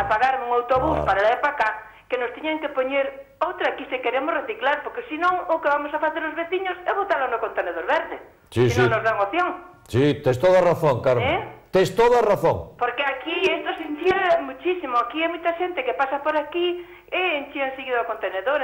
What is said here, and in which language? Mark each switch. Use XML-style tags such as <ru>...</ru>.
<gl>a pagar un autobús, claro, para ir para acá, que nos tiñan que poñer outra aquí se queremos reciclar, porque senón o que vamos a facer os veciños é botarlo no contenedor verde.</gl> <es>Sí, si sí.</es> <gl>Non nos dan opción. Sí, tens toda a razón, Carmen. ¿Eh? Tens toda a razón.</gl> <es>Porque aquí esto se enchía muchísimo.</es> <gl>Aquí hai moita xente que pasa por aquí e enchían seguido o contenedor.</gl>